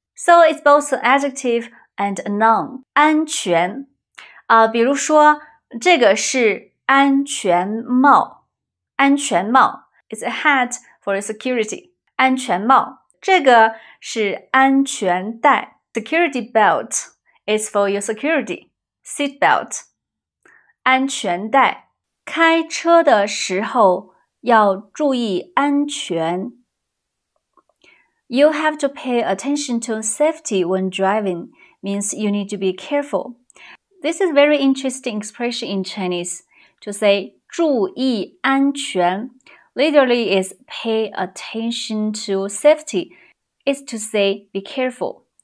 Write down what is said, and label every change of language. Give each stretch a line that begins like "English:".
English: So it's both an adjective and a noun.
Chinese: 安全，比如说，这个是安全帽。安全帽
English: is a hat. For security,
Chinese: 安全帽，这个是安全带。
English: Security belt is for your security. Seat belt, 安全带。
Chinese: 开车的时候要注意安全。
English: You have to pay attention to safety when driving, means you need to be careful. This is a very interesting expression in Chinese, to say 注意安全。 Literally is pay attention to safety, is to say be careful.